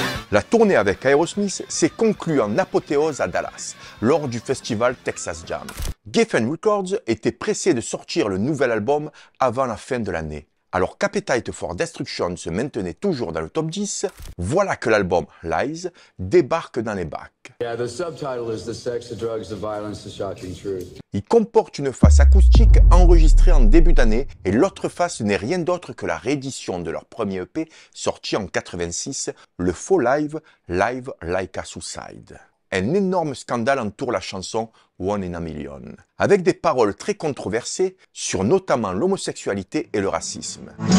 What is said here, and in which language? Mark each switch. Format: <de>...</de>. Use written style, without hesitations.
<fr>La tournée avec Aerosmith s'est conclue en apothéose à Dallas, lors du festival Texas Jam. Geffen Records était pressé de sortir le nouvel album avant la fin de l'année. Alors qu'Appetite for Destruction se maintenait toujours dans le top 10, voilà que l'album Lies débarque dans les bacs.</fr> <en>Yeah, the subtitle is the sex, the drugs, the violence, the shocking truth.</en> <fr>Il comporte une face acoustique enregistrée en début d'année et l'autre face n'est rien d'autre que la réédition de leur premier EP sorti en 86, le faux live Live Like a Suicide. Un énorme scandale entoure la chanson One in a Million, avec des paroles très controversées sur notamment l'homosexualité et le racisme.</fr>